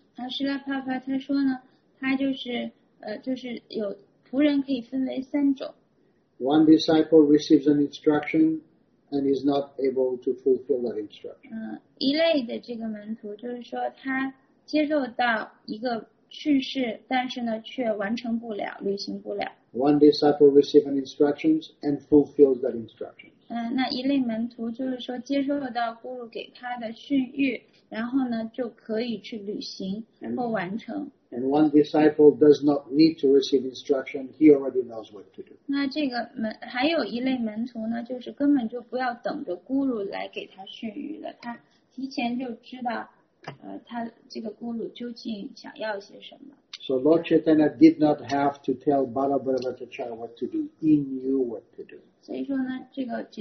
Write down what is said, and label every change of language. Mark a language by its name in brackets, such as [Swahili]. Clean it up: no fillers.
[Chinese] 啊，释迦牟尼佛他说呢，他就是有仆人可以分为三种。One [English] disciple receives an instruction and is not able to fulfill that instruction. [Chinese] 一类的这个门徒就是说他接受到一个训示，但是呢却完成不了，履行不了。One [English] disciple receives an instruction and fulfills that instruction. [Chinese] 那一类门徒就是说接受到guru给他的训谕，然后呢就可以去履行或完成。 [English] And one disciple does not need to receive instruction, he already knows what to do. [Chinese] 那这个还有一类门徒呢，就是根本就不要等着guru来给他训谕的，他提前就知道，他这个guru究竟想要些什么。So [English] Lord Chaitanya did not have to tell Balabhadracharya what to do, he knew what to do.